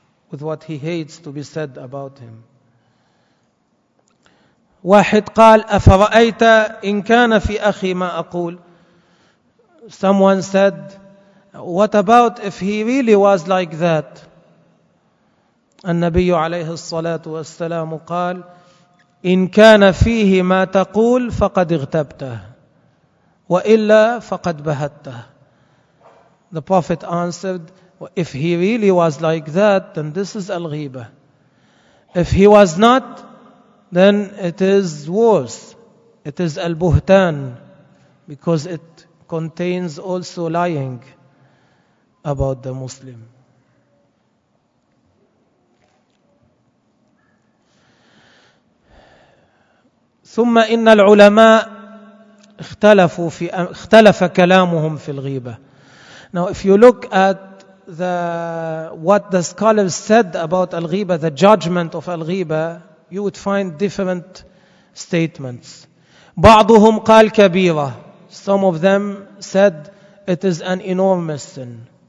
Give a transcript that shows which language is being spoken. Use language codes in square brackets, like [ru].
[en] with what he hates to be said about him. [ar] واحد قال أفرأيت إن كان في أخي ما أقول. [en] Someone said, what about if he really was like that? [ar] النبي عليه الصلاة والسلام قال إن كان فيه ما تقول فقد اغتبته وإلا فقد بهته. [en] The Prophet answered, if he really was like that, then this is al-ghibah. If he was not, then it is worse. It is al-buhtan, because it contains also lying about the Muslim. [ar] ثم إن العلماء اختلفوا في اختلف كلامهم في الغيبة. [en] Now, if you look at what the scholars said about al-ghiba, the judgment of al-ghiba, you would find different statements. [ar] بعضهم قال كبيرة. [en] Some of them said it is an enormous sin.